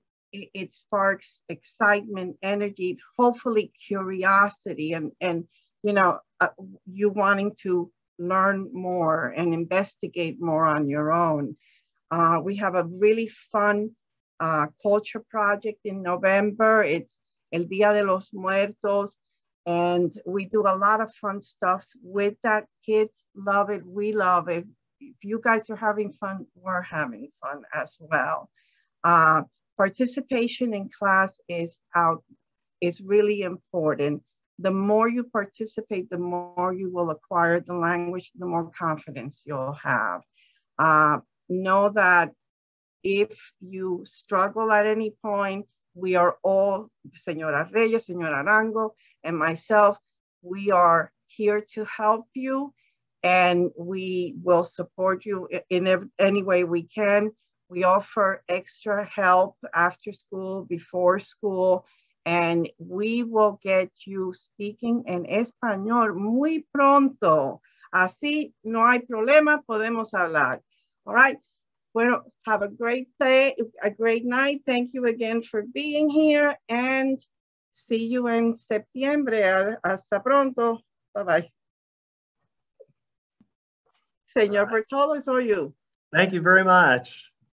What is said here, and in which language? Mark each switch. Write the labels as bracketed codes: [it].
[en] It sparks excitement, energy, hopefully curiosity, and you know, you wanting to learn more and investigate more on your own. We have a really fun culture project in November. It's El Día de los Muertos. And we do a lot of fun stuff with that. Kids love it. We love it. If you guys are having fun, we're having fun as well. Participation in class is really important. The more you participate, the more you will acquire the language, the more confidence you'll have. Know that if you struggle at any point, we are all, Señora Reyes, Señora Arango, and myself, we are here to help you and we will support you in any way we can. We offer extra help after school, before school, and we will get you speaking [es] en español muy pronto. Así no hay problema, podemos hablar. [en] All right. Well, have a great day, a great night. Thank you again for being here and see you in September. [es] Hasta pronto. [en] Bye-bye. Señor Bertolo, it's all you. Thank you very much.